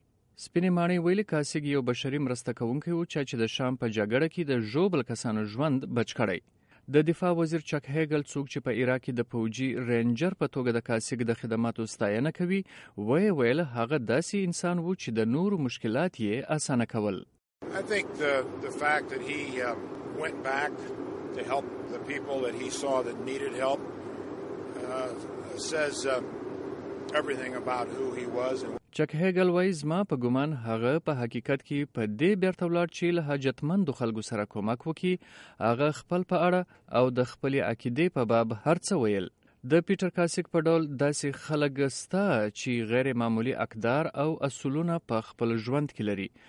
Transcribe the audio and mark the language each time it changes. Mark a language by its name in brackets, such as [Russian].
[Pashto] سپینې ماڼۍ ویلي کاسګ یو بشري مرسته کوونکی و چا چې د شام په جګړه کې د ژوبل کسانو ژوند بچ کړی. د دفاع وزیر چک هیګل څوک چې په عراق کې د پوجي رینجر په توګه د کاسګ د خدماتو ستاینه کوي، وی ویل هغه داسې انسان و چې د نورو مشکلات یې اسانه کول. [English] I think the fact that he went back to help the people that he saw that needed help says everything about who he was. [Pashto] چک هیګل وایز ما په ګومان هغه په حقیقت کې په دې بیرته ولاړ چې له حاجتمند خلکو سره کومک وکړي. هغه خپل په اړه او د خپلې عقیدې په باب هر څه ویل. د پیټر کاسګ په ډول داسې خلک سته چې غیر معمولي اقدار او اصولونه په خپل ژوند کې لري.